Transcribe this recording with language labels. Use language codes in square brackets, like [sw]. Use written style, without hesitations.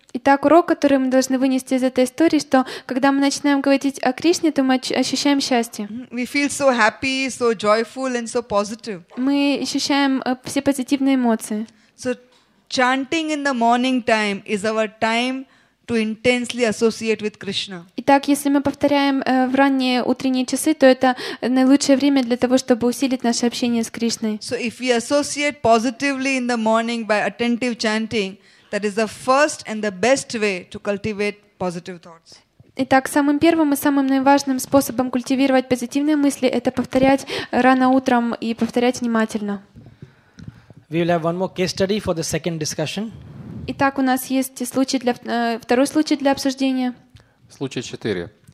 [ru] Итак, урок, который мы должны вынести из этой истории, что когда мы начинаем говорить о Кришне, то мы ощущаем счастье. [en] We feel so happy, so joyful, and so positive. [ru] Мы ощущаем все позитивные эмоции. [en] So chanting in the morning time is our time to intensely associate with Krishna. [ru] Итак, если мы повторяем в ранние утренние часы, то это наилучшее время для того, чтобы усилить наше общение с Кришной. [en] So if we associate positively in the morning by attentive chanting, that is the first and the best way to cultivate positive thoughts. [ru] Итак, самым первым и самым наиважным способом культивировать позитивные мысли это повторять рано утром и повторять внимательно. [en] We will have one more case study for the second discussion. [ru] Итак, у нас есть второй случай для обсуждения. Случай 4.